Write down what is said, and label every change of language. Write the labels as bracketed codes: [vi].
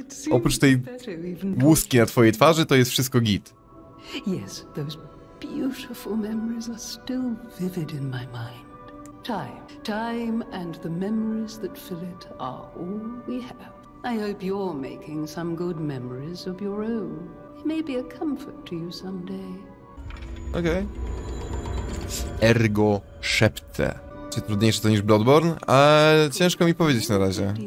[pl] Oprócz tej łuski na twojej twarzy, to jest wszystko git. [en] Yes, those beautiful memories are still vivid in my mind. Time and the memories that fill it are all we have. I hope you're making some good memories of your own. It may be a comfort to you someday. [pl] Okej. Ergo szepte. Czy trudniejsze to niż Bloodborne? Ciężko mi powiedzieć na razie.